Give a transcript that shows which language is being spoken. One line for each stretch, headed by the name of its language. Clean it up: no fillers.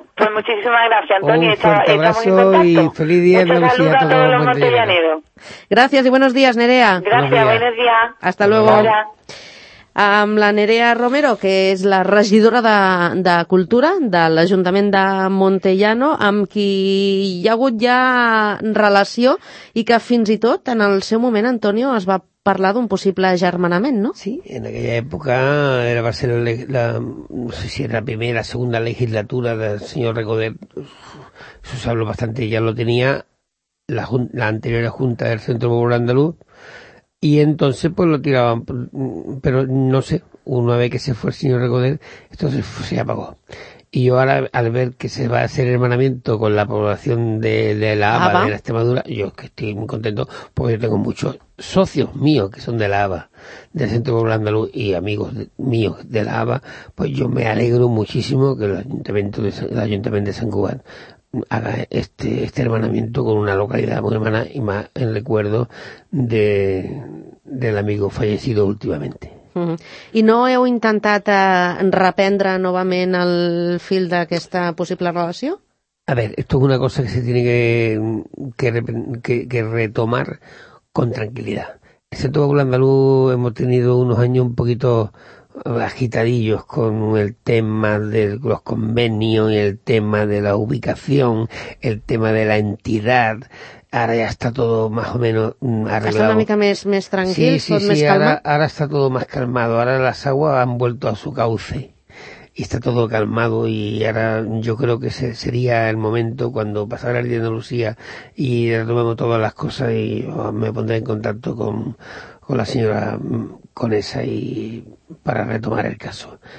Spanish: Pues muchísimas gracias, Antonio. Un fuerte abrazo y feliz día de Andalucía a todos los montellanos. Gracias y buenos días, Nerea. Gracias, buenos días. Hasta luego.
Catalan: Amb la Nerea Romero, que és la regidora de Cultura de l'Ajuntament de Montellano, amb qui hi ha hagut ja relació i que fins i tot en el seu moment, Antonio, es va parlar d'un possible agermanament, no?
Spanish: Sí,
Catalan: en aquella època va ser
Spanish: no sé si era la primera o segunda legislatura del senyor Recoder, eso se habló bastante, ya lo tenía la anterior Junta del Centro Popular Andaluz, y entonces pues lo tiraban, pero no sé, una vez que se fue el señor Recoder, esto se apagó. Y yo ahora, al ver que se va a hacer hermanamiento con la población de la ABA, de la Extremadura, yo es que estoy muy contento, porque yo tengo muchos socios míos que son de la ABA, del Centro Popular Andaluz, y amigos míos de la ABA, pues yo me alegro muchísimo que el Ayuntamiento de San Cubán haga este hermanamiento con una localidad muy hermana y más en recuerdo del amigo fallecido últimamente.
Catalan: I no heu intentat reprendre novament el fil d'aquesta possible relació?
Spanish: A ver, esto es una cosa que se tiene que retomar con tranquilidad. El Centro Popular Andaluz hemos tenido unos años un poquito agitadillos con el tema de los convenios y el tema de la ubicación, el tema de la entidad.
Catalan: Ara ja està tot més o menys arreglat. Està una mica més tranquil, sí, sí, tot sí, més calmat. Sí, ara està tot més calmat. Ara les aigües
Spanish: han vuelto a su cauce. Y está todo calmado y ahora yo creo que ese sería el momento cuando pasara el día de Andalucía y retomemos todas las cosas y me pondré en contacto con la señora Conesa y para retomar el caso.